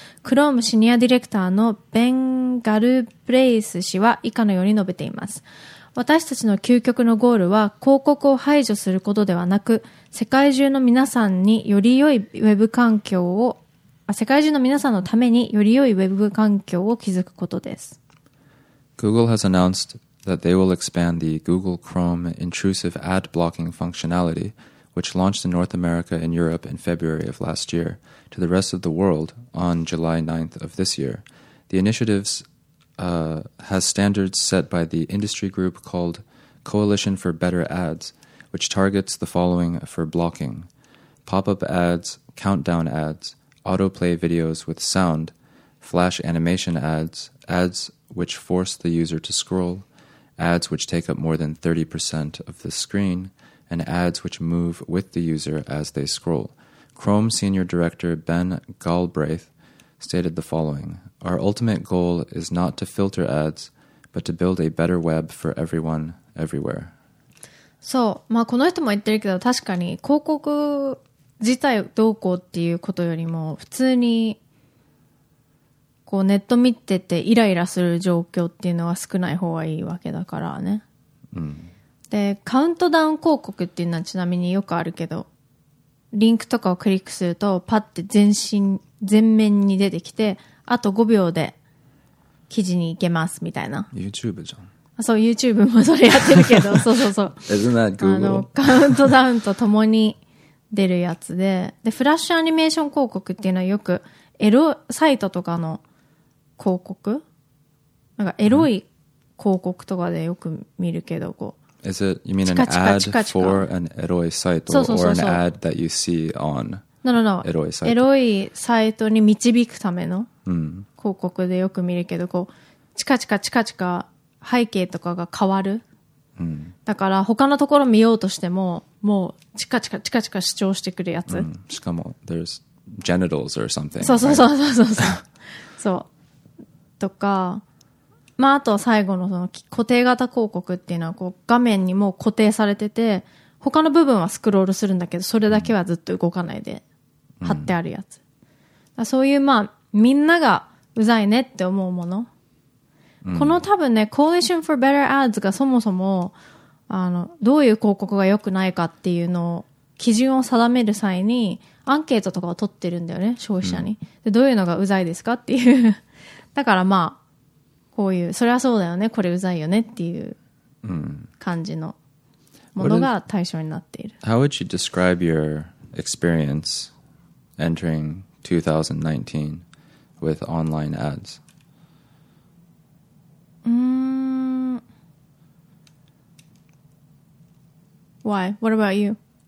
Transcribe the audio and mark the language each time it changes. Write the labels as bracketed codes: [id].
[ja] Chrome シニアディレクターのベン・ガルブレイス氏は以下のように述べています。私たちの究極のゴールは広告を排除することではなく、世界中の皆さんにより良いウェブ環境を、世界中の皆さんのためにより良いウェブ環境を築くことです。 [en] Google has announced that they will expand the Google Chrome intrusive ad blocking functionality, which launched in North America and Europe in February of last year, to the rest of the world on July 9th of this year. The initiative has standards set by the industry group called Coalition for Better Ads, which targets the following for blocking: pop-up ads, countdown ads, autoplay videos with sound, flash animation ads, ads which force the user to scroll,ads which take up more than 30% of the screen, and ads which move with the user as they scroll. Chrome Senior Director Ben Galbraith stated the following: Our ultimate goal is not to filter ads, but to build a better web for everyone, everywhere. [ja] そう、まあこの人も言ってるけど、確かに広告自体どうこうっていうことよりも、普通にこうネット見ててイライラする状況っていうのは少ない方がいいわけだからね、うん、でカウントダウン広告っていうのはちなみによくあるけど、リンクとかをクリックするとパッて全面に出てきて、あと5秒で記事に行けますみたいな。 YouTube じゃん。あ、そう、 YouTube もそれやってるけどそうそうそう、 [en] Isn't that Google? [ja] あのカウントダウンとともに出るやつ でフラッシュアニメーション広告っていうのはよくエロサイトとかの広告、なんかエロい広告とかでよく見るけど、こう、 [en] Is it, you mean an ad for an eroy site? [ja] そうそうそうそう。 [en] Or an ad that you see on [ja] エロいサイト、エロいサイトに導くための広告でよく見るけど、こうチカチカチカチカ背景とかが変わる、だから他のところ見ようとしてももうチカチカチカチカ主張してくるやつ、しかも [en] there'sGenitals or something. [ja] そうそうそうそうそうそう。そう。とか、まああと最後のその固定型広告っていうのはこう画面にもう固定されてて、他の部分はスクロールするんだけど、それだけはずっと動かないで貼ってあるやつ。だそういう、まあみんながうざいねって思うもの、この多分ね、Coalition for Better Ads がそもそも、どういう広告が良くないかっていうのを、基準を定める際に、アンケートとかを取ってるんだよね、消費者に。うん、でどういうのがうざいですかっていう。だからまあ、こういう、それはそうだよね、これうざいよねっていう感じのものが対象になっている。 [en] How would you describe your experience entering 2019 with online ads? Why? What about you?